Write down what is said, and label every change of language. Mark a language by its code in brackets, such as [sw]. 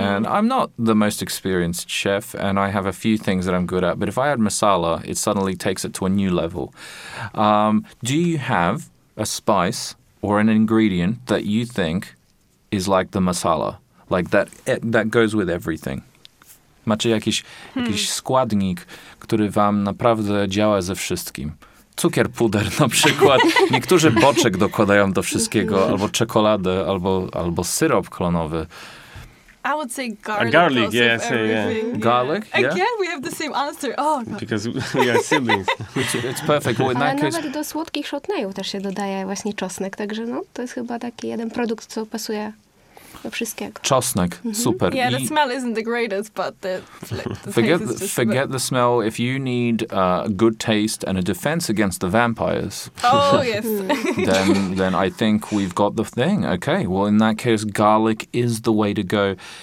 [en] And I'm not the most experienced chef, and I have a few things that I'm good at. But if I add masala, it suddenly takes it to a new level. Do you have a spice or an ingredient that you think is like the masala? Like that goes with everything. [pl] Macie jakiś składnik, który wam naprawdę działa ze wszystkim. Cukier, puder na przykład. Niektórzy boczek dokładają do wszystkiego, albo czekoladę, albo syrop klonowy. [en] I would say garlic goes with everything. Garlic? Yeah. Again, we have the same answer. Oh, God. Because we are siblings. It's perfect. Well, [pl] ale nawet do słodkich szotnejów też się dodaje właśnie czosnek. Także no, to jest chyba taki jeden produkt, co pasuje... Czosnek, super. [en] Yeah, the smell isn't the greatest, but the taste is just... Forget the smell. If you need a good taste and a defense against the vampires, oh yes, then I think we've got the thing. Okay, well, in that case, garlic is the way to go.